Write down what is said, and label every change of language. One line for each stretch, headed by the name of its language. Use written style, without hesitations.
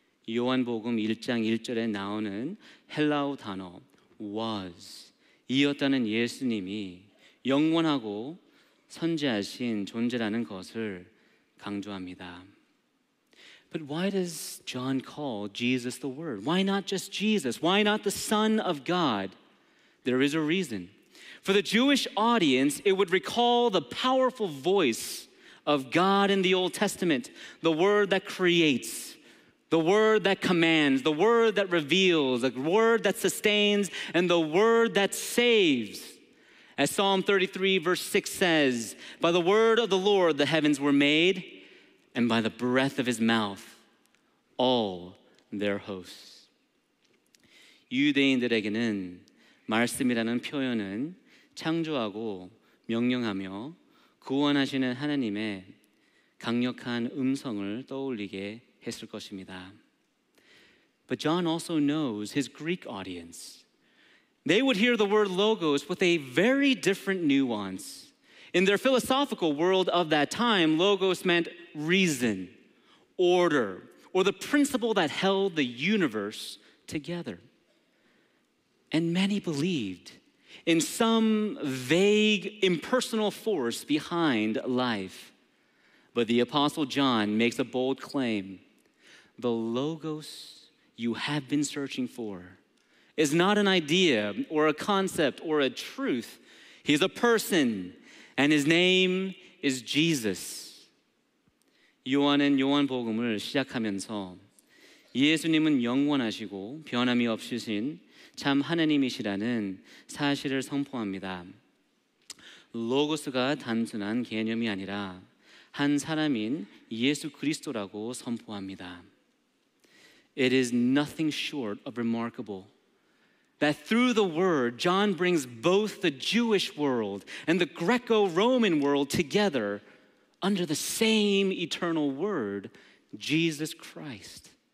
Korean: 요한복음 1장 1절에 나오는 헬라어 단어 was 이었다는 예수님이 영원하고 선재하신 존재라는 것을 강조합니다.
English: But why does John call Jesus the Word? Why not just Jesus? Why not the Son of God? There is a reason. For the Jewish audience, it would recall the powerful voice of God in the Old Testament, the Word that creates, the Word that commands, the Word that reveals, the Word that sustains, and the Word that saves. As Psalm 33, verse 6 says, "By the word of the Lord the heavens were made, and by the breath of his mouth all their hosts."
Korean: 유대인들에게는 말씀이라는 표현은 창조하고 명령하며 구원하시는 하나님의 강력한 음성을 떠올리게 했을 것입니다.
English: But John also knows his Greek audience. They would hear the word logos with a very different nuance. In their philosophical world of that time, logos meant reason, order, or the principle that held the universe together. And many believed in some vague, impersonal force behind life. But the Apostle John makes a bold claim. The Logos you have been searching for is not an idea or a concept or a truth. He's a person, and his name is Jesus.
Korean: 요한은 요한 복음을 시작하면서 예수님은 영원하시고 변함이 없으신 참 하느님이시라는 사실을 선포합니다. 로고스가 단순한 개념이 아니라 한 사람인 예수 그리스도라고 선포합니다.
English: It is nothing short of remarkable that through the word, John brings both the Jewish world and the Greco-Roman world together under the same eternal word, Jesus Christ.